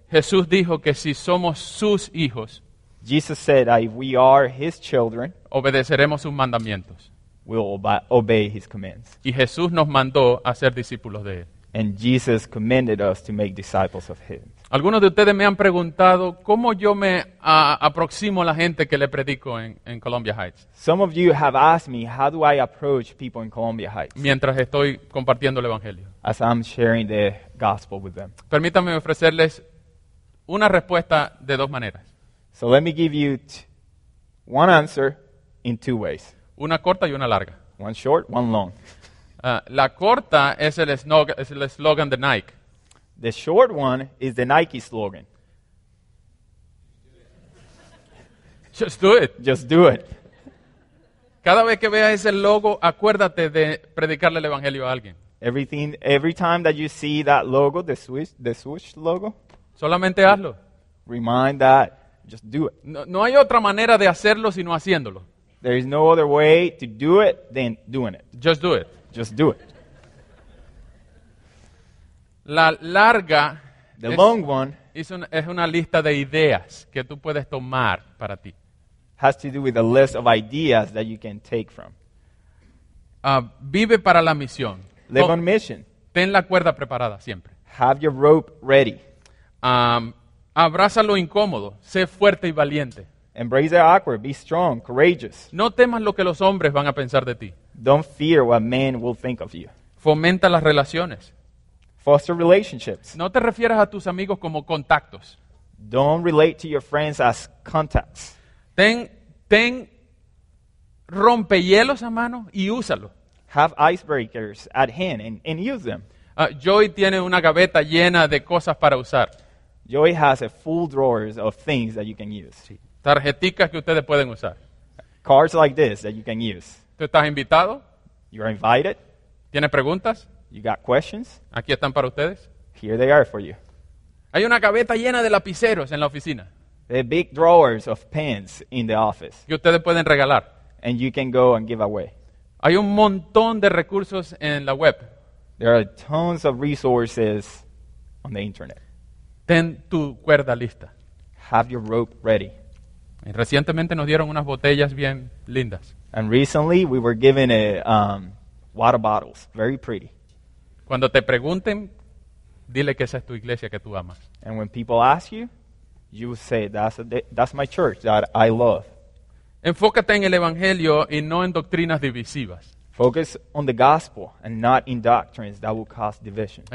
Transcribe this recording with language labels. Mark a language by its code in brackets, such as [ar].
[es] Jesús dijo que si somos sus hijos. [en] Jesus said that if we are his children. [es] Obedeceremos sus mandamientos. [en] We'll obey his commands. [es] Y Jesús nos mandó a ser discípulos de él. [en] And Jesus commanded us to make disciples of him. [es] Algunos de ustedes me han preguntado cómo yo me aproximo a la gente que le predico en Columbia Heights. [en] Some of you have asked me, how do I approach people in Columbia Heights? [es] Mientras estoy compartiendo el evangelio. [en] As I'm sharing the gospel with them. [es] Permítanme ofrecerles una respuesta de dos maneras. [en] So let me give you one answer in two ways. [es] Una corta y una larga. [en] One short, one long. [es] La corta es el eslogan de Nike. [en] The short one is the Nike slogan. Just do it. Just do it. [es] Cada vez que veas ese logo, acuérdate de predicarle el evangelio a alguien. [en] Every time that you see that logo, the swoosh logo, [es] solamente hazlo. [en] Remind that. Just do it. [es] No hay otra manera de hacerlo sino haciéndolo. [en] There is no other way to do it than doing it. Just do it. Just do it. [es] La larga [en] the long one [es] es una lista de ideas que tú puedes tomar para ti. [en] Has to do with a list of ideas that you can take from. [es] Vive para la misión. [en] Live on mission. [es] Ten la cuerda preparada siempre. [en] Have your rope ready. [es] Abraza lo incómodo. Sé fuerte y valiente. [en] Embrace the awkward. Be strong, courageous. [es] No temas lo que los hombres van a pensar de ti. [en] Don't fear what men will think of you. [es] Fomenta las relaciones. [en] Foster relationships. [es] No te refieras a tus amigos como contactos. [en] Don't relate to your friends as contacts. [es] Ten rompehielos a mano y úsalo. [en] Have icebreakers at hand and use them. [es] Joy tiene una gaveta llena de cosas para usar. [en] Joy has a full drawer of things that you can use. [es] Sí. Tarjeticas que ustedes pueden usar. [en] Cards like this that you can use. [es] ¿Tú estás invitado? [en] You're invited. [es] ¿Tienes preguntas? [en] You got questions. [es] Aquí están para ustedes. [en] Here they are for you. [es] Hay una gaveta llena de lapiceros en la oficina. [en] The big drawers of pens in the office. [es] Que ustedes pueden regalar. [en] And you can go and give away. [es] Hay un montón de recursos en la web. [en] There are tons of resources on the internet. [es] Ten tu cuerda lista. [en] Have your rope ready. [es] Y recientemente nos dieron unas botellas bien lindas. [en] And recently we were given water bottles, very pretty. [es] Cuando te pregunten, dile que esa es tu iglesia que tú amas. [en] And when people ask you, you say that's my church that I love. [es] Enfócate en el evangelio y no en doctrinas divisivas. [en] Focus on the gospel and not in doctrines that will cause division.